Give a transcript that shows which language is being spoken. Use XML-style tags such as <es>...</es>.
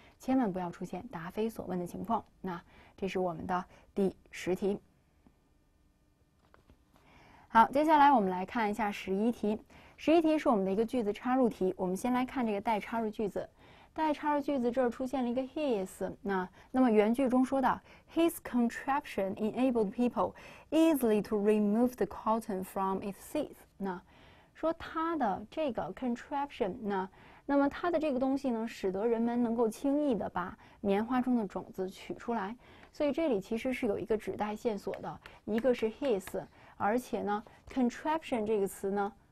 <zh>千万不要出现答非所问的情况。那这是我们的第10题。好，接下来我们来看一下11题。11题是我们的一个句子插入题。我们先来看这个待插入句子。待插入句子这儿出现了一个 his。那么原句中说到，</zh> <en>his contraption enabled people easily to remove the cotton from its seeds。</en> <zh>那说他的这个 contraption 呢？那么它的这个东西呢，使得人们能够轻易地把棉花中的种子取出来，所以这里其实是有一个指代线索的，一个是 his，而且呢，contraption 这个词呢，</zh>